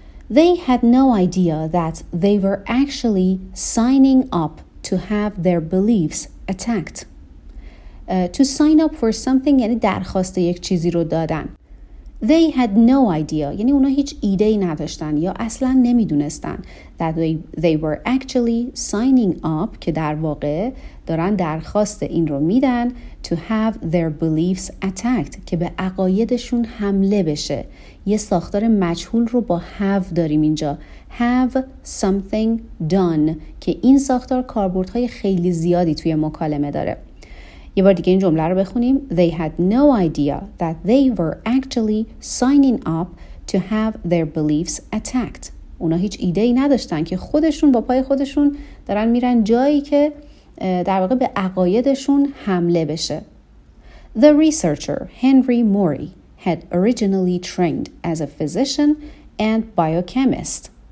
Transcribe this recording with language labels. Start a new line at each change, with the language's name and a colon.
English: They had no idea that they were actually signing up to have their beliefs attacked. To sign up for something
Persian: یعنی درخواست یک چیزی رو دادن.
English: They had no idea
Persian: یعنی اونا هیچ ایده‌ای نداشتن یا اصلا نمیدونستن.
English: That they were actually signing up
Persian: که در واقع دارن درخواست این رو میدن.
English: To have their beliefs attacked
Persian: که به عقایدشون حمله بشه. یه ساختار مجهول رو با have داریم اینجا.
English: Have something done
Persian: که این ساختار کاربردهای خیلی زیادی توی مکالمه داره. یه بار دیگه این جمله رو بخونیم.
English: They had no idea that they were actually signing up to have their beliefs attacked.
Persian: اونا هیچ ایده‌ای نداشتن که خودشون با پای خودشون دارن میرن جایی که در واقع به عقایدشون حمله بشه.
English: The researcher Henry Morey had originally trained as a physician and biochemist.